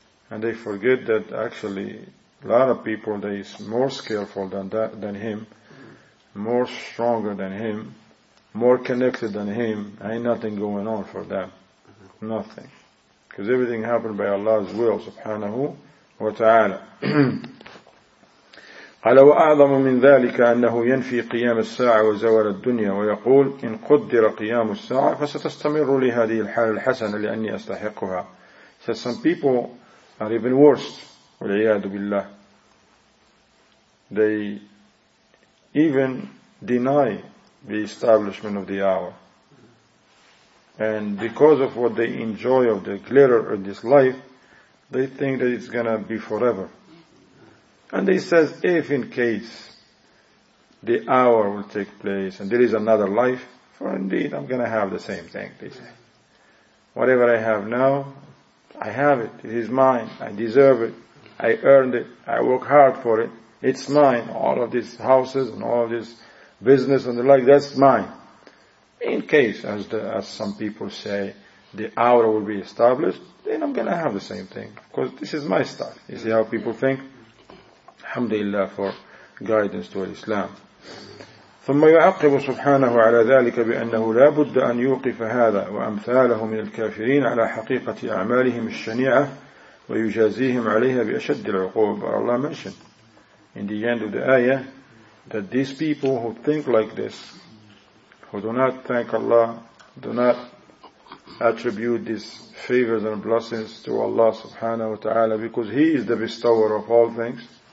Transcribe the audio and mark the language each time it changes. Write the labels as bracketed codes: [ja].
[en] And they forget that actually a lot of people, they is more skillful than that, than him, more stronger than him, more connected than him, ain't nothing going on for them. Nothing. Because everything happened by Allah's will, subhanahu wa ta'ala. [ar] قال وأعظم من ذلك أنه ينفي قيام الساعة وزوال الدنيا ويقول إن قدر قيام الساعة فستستمر لي هذه الحالة الحسنة لأني أستحقها. [en] So some people are even worse, [ar] والعياذ بالله. [en] They even deny the establishment of the hour. And because of what they enjoy of the glitter in this life, they think that it's gonna be forever. And he says, if in case the hour will take place and there is another life, for indeed I'm gonna have the same thing, they say. Whatever I have now, I have it, it is mine, I deserve it, I earned it, I work hard for it, it's mine, all of these houses and all of this business and the like, that's mine. In case, as some people say, the hour will be established, then I'm gonna have the same thing, because this is my stuff. You see how people think? Alhamdulillah for guidance toward Islam. [ar] ثم يعقب سبحانه على ذلك بأنه لا بد أن يوقف هذا وأمثاله من الكافرين على حقيقة أعمالهم الشنيعة ويجازيهم عليها بأشد العقوب. [en] But Allah mentioned in the end of the ayah that these people who think like this, who do not thank Allah, do not attribute these favors and blessings to Allah subhanahu wa ta'ala, because He is the bestower of all things.